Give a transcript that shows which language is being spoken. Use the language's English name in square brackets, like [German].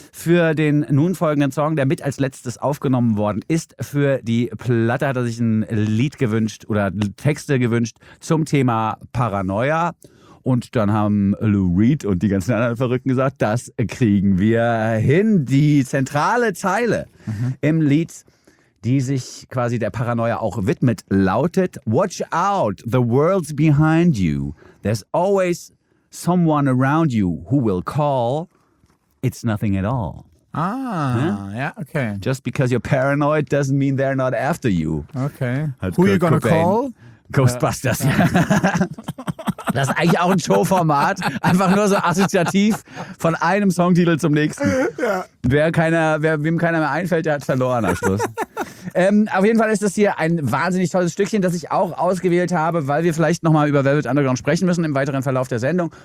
[German] Für den nun folgenden Song, der mit als letztes aufgenommen worden ist für die Platte, hat er sich ein Lied gewünscht oder Texte gewünscht zum Thema Paranoia. Und dann haben Lou Reed und die ganzen anderen Verrückten gesagt, das kriegen wir hin. Die zentrale Zeile im Lied, die sich quasi der Paranoia auch widmet, lautet: [English] Watch out, the world's behind you. There's always someone around you who will call. It's nothing at all. Okay. Just because you're paranoid doesn't mean they're not after you. Okay. Hat who are you gonna call? Ghostbusters. [German] Das ist eigentlich auch ein Showformat, einfach nur so assoziativ von einem Songtitel zum nächsten. Ja. Wem keiner mehr einfällt, der hat verloren am Schluss. Auf jeden Fall ist das hier ein wahnsinnig tolles Stückchen, das ich auch ausgewählt habe, weil wir vielleicht nochmal über Velvet Underground sprechen müssen im weiteren Verlauf der Sendung.